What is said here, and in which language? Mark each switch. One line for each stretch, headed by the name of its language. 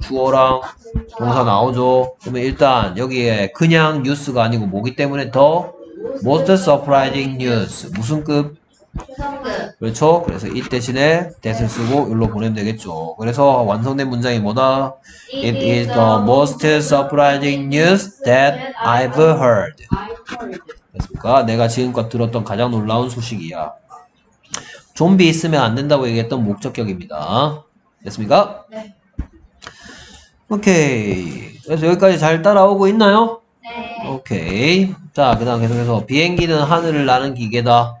Korean: 주어랑 동사 나오죠. 그러면 일단 여기에 그냥 뉴스가 아니고 뭐기 때문에 더
English: most surprising news
Korean: 무슨 급? 그렇죠? 그래서 it 대신에 that을 쓰고 일로 보내면 되겠죠. 그래서 완성된 문장이 뭐다?
English: It is the most surprising news that I've heard.
Korean: 됐습니까? 내가 지금껏 들었던 가장 놀라운 소식이야. 좀비 있으면 안 된다고 얘기했던 목적격입니다. 됐습니까? 네. 오케이. 그래서 여기까지 잘 따라오고 있나요? 네. 오케이. 자, 그 다음 계속해서 비행기는 하늘을 나는 기계다.